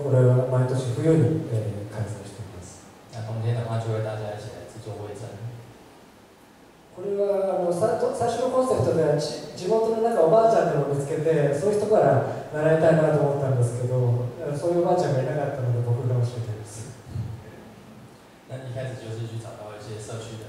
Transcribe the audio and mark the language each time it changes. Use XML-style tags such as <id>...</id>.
<ja>これは毎年冬に開催しています。</ja> <zh>那冬天的话，就会大家一起来制作味噌。</zh> <ja>これは最初のコンセプトでは地元のなんかおばあちゃんでも見つけて、そういう人から習いたいなと思ったんですけど、そういうおばあちゃんがいなかったので僕が教えています。</ja> <zh>那一开始就是去找到一些社区。</zh>